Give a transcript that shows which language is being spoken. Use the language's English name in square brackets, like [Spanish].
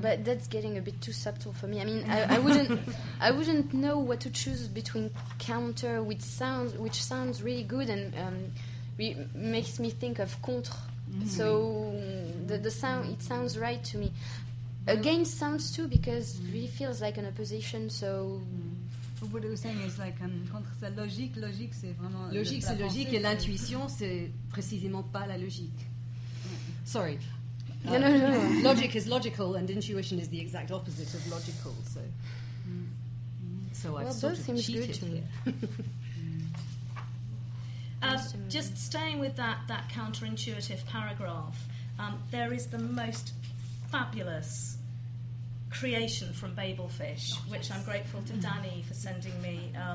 [English] But that's getting a bit too subtle for me. I mean, I wouldn't know what to choose between counter, which sounds really good and makes me think of contre. Mm-hmm. So the sound, it sounds right to me. Against sounds too, because it really feels like an opposition. So. But what I was saying is like contre sa logique. [French] Logique, c'est vraiment. Logique, c'est logique, et l'intuition, c'est précisément pas la logique. [English] Sorry. No. Logic is logical, and intuition is the exact opposite of logical. So, I've sort of cheated. Just staying with that counterintuitive paragraph, there is the most fabulous creation from Babelfish, which I'm grateful to Danny for sending me.